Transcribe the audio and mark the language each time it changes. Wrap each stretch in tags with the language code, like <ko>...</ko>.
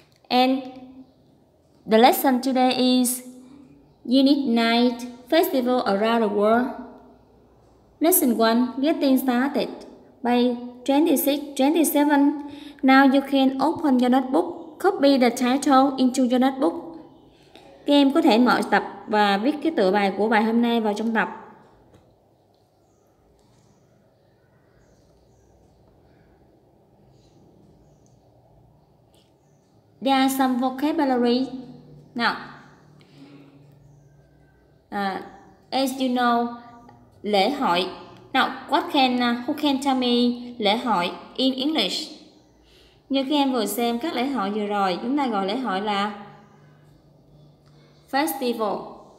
<en>The lesson today is Unit 9, Festival Around the World. Lesson 1, Getting Started, by 26-27. Now you can open your notebook, copy the title into your notebook.</en> <vi>Các em có thể mở tập và viết cái tựa bài của bài hôm nay vào trong tập.</vi> <en>There are some vocabulary. Now, as you know, lễ hội. Now, who can tell me lễ hội in English?</en> <vi>Như các em vừa xem các lễ hội vừa rồi, chúng ta gọi lễ hội là festival.</vi>